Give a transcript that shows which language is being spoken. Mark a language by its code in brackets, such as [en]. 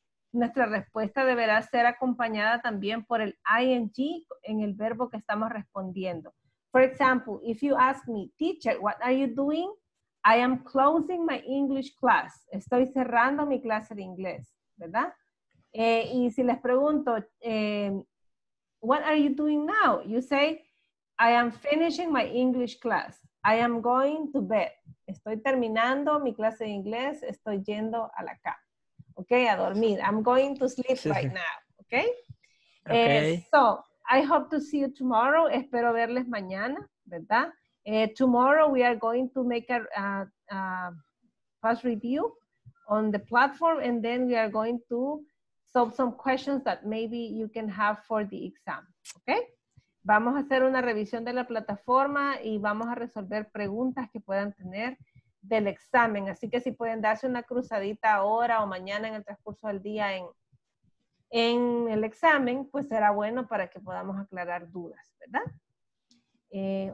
[es] Nuestra respuesta deberá ser acompañada también por el ing en el verbo que estamos respondiendo. [en] For example, if you ask me, teacher, what are you doing? I am closing my English class. [es] Estoy cerrando mi clase de inglés, ¿verdad? Y si les pregunto, [en] what are you doing now? You say, I am finishing my English class. I am going to bed. [es] Estoy terminando mi clase de inglés. Estoy yendo a la cama. [en] Okay, [es] a dormir. [en] I'm going to sleep right now. Okay? Okay. So, I hope to see you tomorrow. [es] Espero verles mañana, ¿verdad? [en] Tomorrow we are going to make a fast review on the platform and then we are going to solve some questions that maybe you can have for the exam. Okay? [es] Vamos a hacer una revisión de la plataforma y vamos a resolver preguntas que puedan tener del examen. Así que si pueden darse una cruzadita ahora o mañana en el transcurso del día en el examen, pues será bueno para que podamos aclarar dudas, ¿verdad?